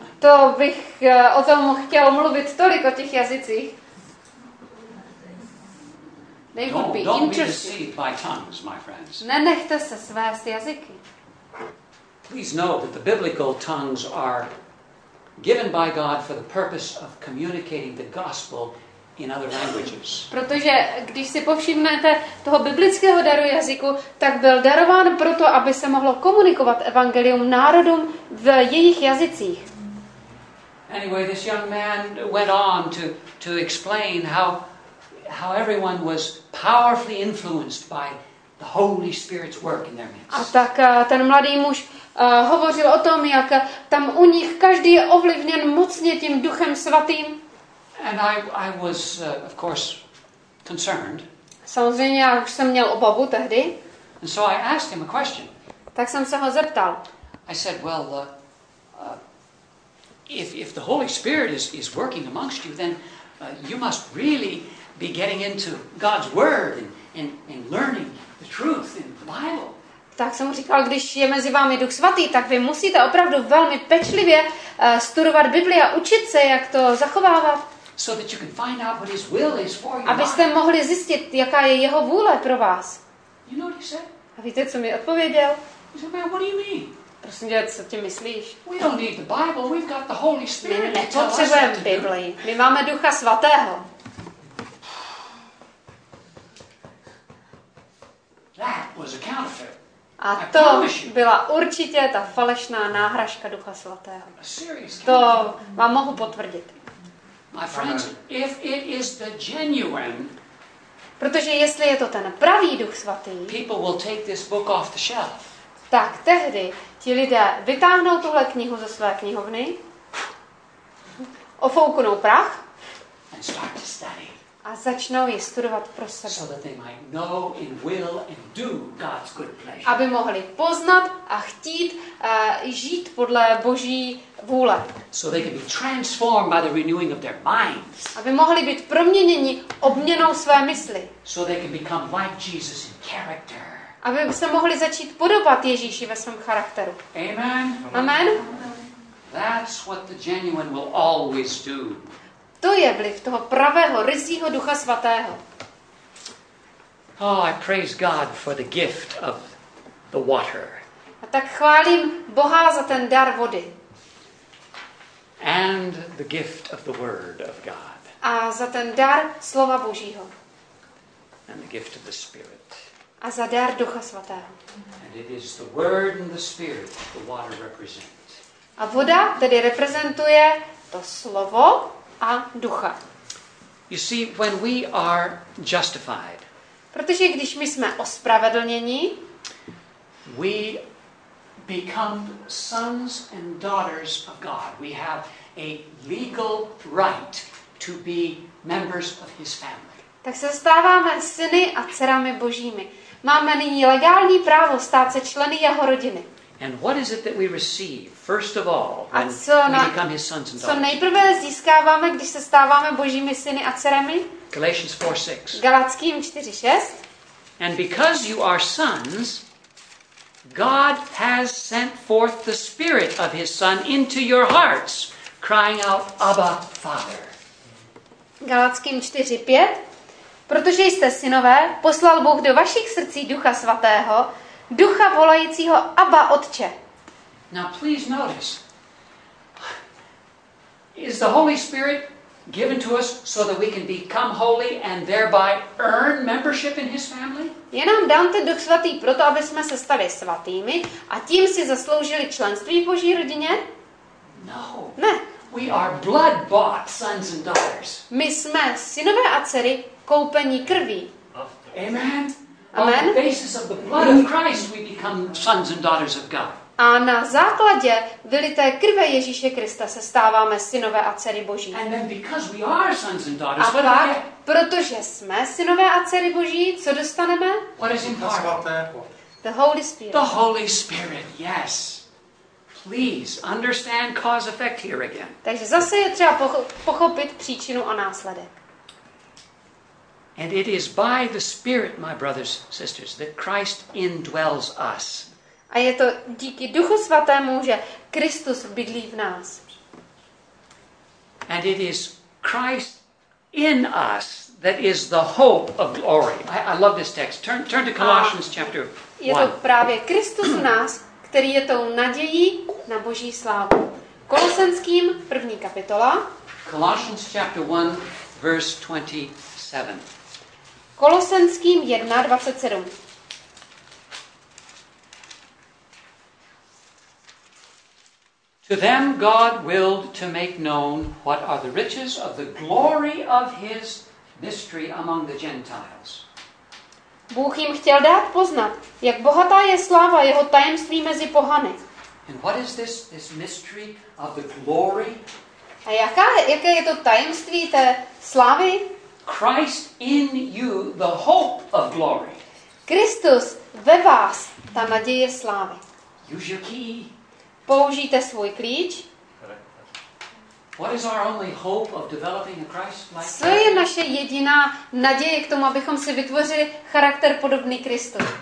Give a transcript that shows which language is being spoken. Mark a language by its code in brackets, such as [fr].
[cs] To bych o tom chtěl mluvit tolik o těch jazycích. [en] They would be interesting. [cs] Nenechte se svést jazyky. [en] Please know that the biblical tongues are given by God for the purpose of communicating the gospel in other languages. [cs] Protože když si povšimnete toho biblického daru jazyku, tak byl darován proto, aby se mohlo komunikovat evangelium národům v jejich jazycích. [en] Anyway, this young man went on to explain how everyone was powerfully influenced by the Holy Spirit's work in their midst. [cs] A tak ten mladý muž hovořil o tom, jak tam u nich každý je ovlivněn mocně tím Duchem Svatým. [en] And I was of course concerned. [cs] Samozřejmě já už jsem měl obavu tehdy. [en] And so I asked him a question. [cs] Tak jsem se ho zeptal. [en] I said, well, if the Holy Spirit is working amongst you, then you must really be getting into God's word and learning the truth in the Bible. [cs] Tak jsem mu říkal, když je mezi vámi Duch Svatý, tak vy musíte opravdu velmi pečlivě studovat Bibli a učit se, jak to zachovávat. [en] So that you can find out what his will is for you. [cs] Abyste mohli zjistit, jaká je jeho vůle pro vás. [en] You know what he said? [cs] A víte, co mi odpověděl? [en] He said, what do you mean? [cs] Prosím tě, co tím myslíš? [en] We don't need the Bible. We've got the Holy Spirit. [cs] My nepotřebujeme Bibli. My máme Ducha Svatého. [en] That was a counterfeit. [cs] A to byla určitě ta falešná náhražka Ducha Svatého. To vám mohu potvrdit. [en] My friends, if it is the genuine, [cs] protože jestli je to ten pravý Duch Svatý, [en] people will take this book off the shelf. [cs] Tak tehdy ti lidé vytáhnou tuhle knihu ze své knihovny, ofouknou prach [en] and start to study. [cs] A začnou ji studovat pro sebe. [en] So that they might know and will and do God's good pleasure. [cs] Aby mohli poznat a chtít žít podle Boží vůle. [en] So they can be transformed by the renewing of their minds. [cs] Aby mohli být proměněni obměnou své mysli. [en] So they can become like Jesus in character. [cs] Aby se mohli začít podobat Ježíši ve svém charakteru. [en] Amen. [cs] Amen. [en] That's what the genuine will always do. [cs] To je vliv toho pravého, ryzího Ducha Svatého. [en] Oh, I praise God for the gift of the water. [cs] A tak chválím Boha za ten dar vody. [en] And the gift of the word of God. [cs] A za ten dar slova Božího. [en] And the gift of the Spirit. [cs] A za dar Ducha Svatého. [en] And it is the word and the Spirit the water represent. [cs] A voda tedy reprezentuje to slovo a Ducha. [en] You see, when we are justified, [cs] protože když my jsme ospravedlněni, [en] we become sons and daughters of God. We have a legal right to be members of his family. [cs] Tak se stáváme syny a dcerami Božími. Máme nyní legální právo stát se členy jeho rodiny. [en] And what is it that we receive first of all when we become his sons and daughters? [cs] Co nejprve získáváme, když se stáváme Božími syny a dcerami? [en] Galatians 4:6. [cs] Galatským 4:6. [en] And because you are sons, God has sent forth the Spirit of his Son into your hearts, crying out, Abba, Father. [cs] Galatským 4:5. Protože jste synové, poslal Bůh do vašich srdcí Ducha Svatého, Ducha volajícího Abba Otče. [en] Now please notice. Is the Holy Spirit given to us so that we can become holy and thereby earn membership in his family? [cs] Je nám dán ten Duch Svatý proto, aby jsme se stali svatými a tím si zasloužili členství v Boží rodině? [en] No. [cs] Ne. [en] We are blood bought sons and daughters. [cs] My jsme synové a dcery koupení krví. [en] Amen. [cs] Amen. [en] On the basis of the blood of Christ we become sons and daughters of God. [cs] A na základě vylité krve Ježíše Krista se stáváme synové a dcery Boží. [en] And then because we are sons and daughters, [cs] a pak, protože jsme synové a dcery Boží, co dostaneme? [en] What is in part? The Holy Spirit. The Holy Spirit, yes. Please understand cause effect here again. [cs] Takže zase je třeba pochopit příčinu a následek. [en] And it is by the Spirit, my brothers, sisters, that Christ indwells us. [cs] A je to díky Duchu Svatému, že Kristus bydlí v nás. [en] And it is Christ in us that is the hope of glory. I love this text. Turn to Colossians chapter 1. [cs] Je to právě Kristus v nás, který je tou nadějí na Boží slávu. Kolosenským 1. kapitola. [en] Colossians chapter 1, verse 27. [cs] Kolosenským 1:27. [en] To them God willed to make known what are the riches of the glory of his mystery among the Gentiles. [cs] Bůh jim chtěl dát poznat, jak bohatá je sláva jeho tajemství mezi pohany. [en] And what is this mystery of the glory? [cs] A jaké je to tajemství té slávy? [en] Christ in you, the hope of glory. [cs] Kristus ve vás, ta naděje slávy. [en] Use your key. [cs] Použijte svůj klíč. [en] What is our only hope of developing a Christ-like? [cs] Co je naše jediná naděje k tomu, abychom si vytvořili charakter podobný Kristu?